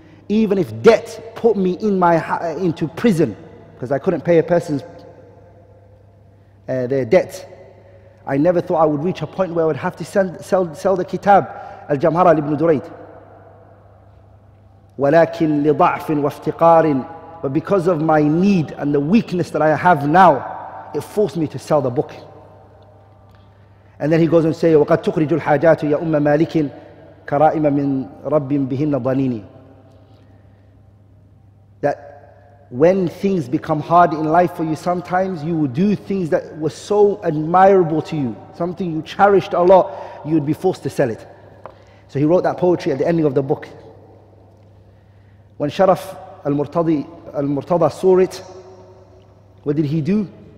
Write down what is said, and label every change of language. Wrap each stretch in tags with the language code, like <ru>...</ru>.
<en>Even if debt put me in my into prison, because I couldn't pay a person's their debt, I never thought I would reach a point where I would have to sell the kitab, Al-Jamhara Ibn Durayd.</en> <ar>ولكن لضعف وافتقار,</ar> <en>but because of my need and the weakness that I have now, it forced me to sell the book. And then he goes and says,</en> <ar>وقد تخرج الحاجات يا أم مالك كرائم من رب بهن ضنيني.</ar> <en>That when things become hard in life for you, sometimes you will do things that were so admirable to you, something you cherished a lot, you would be forced to sell it. So he wrote that poetry at the ending of the book. When Sharaf al-Murtada saw it, what did he do?</en>